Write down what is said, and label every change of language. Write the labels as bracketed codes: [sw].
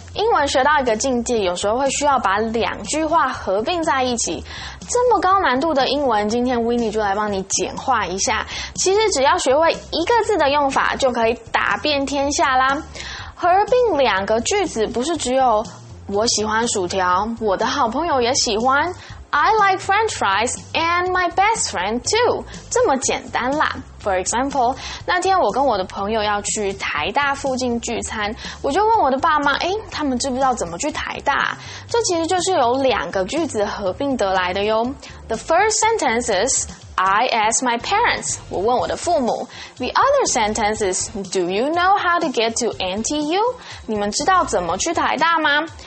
[zh] 英文学到一个境界，有时候会需要把两句话合并在一起。这么高难度的英文，今天 Winnie 就来帮你简化一下。其实只要学会一个字的用法，就可以打遍天下啦。合并两个句子，不是只有我喜欢薯条，我的好朋友也喜欢。 [en] I like French fries and my best friend too. [zh] 这么简单啦。 [en] For example, [zh] 那天我跟我的朋友要去台大附近聚餐，我就问我的爸妈，诶，他们知不知道怎么去台大？这其实就是由两个句子合并得来的哟。 [en] The first sentence is, I asked my parents, [zh] 我问我的父母。 [en] The other sentence is, do you know how to get to NTU? [zh] 你们知道怎么去台大吗？